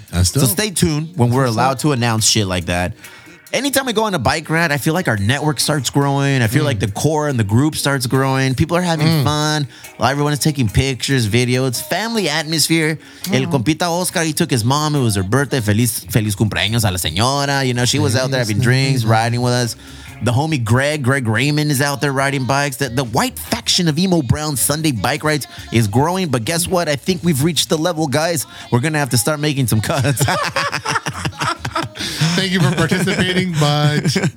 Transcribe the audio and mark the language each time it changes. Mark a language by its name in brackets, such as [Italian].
[English] That's dope. So stay tuned when we're allowed to announce shit like that. Anytime we go on a bike ride, I feel like our network starts growing. I feel like the core and the group starts growing. People are having fun. Well, everyone is taking pictures, video. It's family atmosphere. Mm. El compita Oscar, he took his mom. It was her birthday. [Spanish] Feliz cumpleaños a la señora. [English] You know, she was out there having drinks, riding with us. The homie Greg Raymond is out there riding bikes. The white faction of Emo Brown Sunday bike rides is growing. But guess what? I think we've reached the level, guys. We're going to have to start making some cuts. Thank you for participating, but